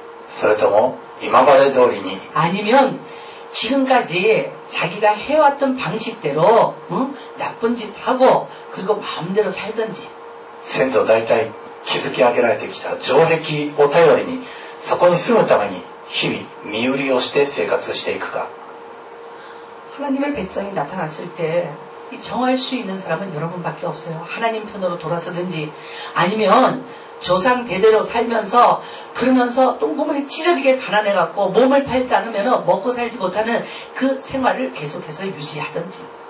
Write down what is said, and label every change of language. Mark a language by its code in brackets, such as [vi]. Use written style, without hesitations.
[ja] それとも今まで通りに [ko] 아니면지금까지자기가해왔던방식대로응나쁜짓하고그리고마음대로살든지 [ja] 先祖代替築き上げられてきた城壁を頼りにそこに住むために日々身売りをして生活していくか [ko] 하나님의백성이나타났을때이정할수있는사람은여러분밖에없어요하나님편으로돌아서든지아니면조상대대로살면서그러면서똥구멍이찢어지게가난해갖고몸을팔지않으면먹고살지못하는그생활을계속해서유지하든지